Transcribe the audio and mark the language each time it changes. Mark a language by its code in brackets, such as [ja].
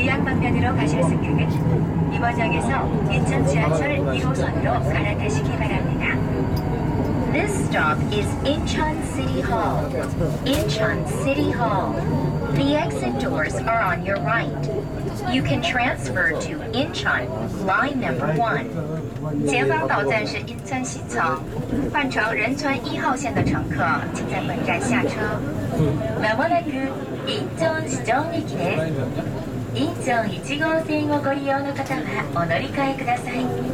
[ko] 정거장에서 인천 지하철 1호선으로 갈아타시기 바랍니다. [en] This stop is Incheon City Hall. Incheon City Hall. The exit doors are on your right. You can transfer to Incheon, line number 1. [zh] 前方到站是인천시청。换乘仁川一号线的乘客，请在本站下车。 [ja] まもなく인천시청駅です。인천1号線をご利用の方はお乗り換えください。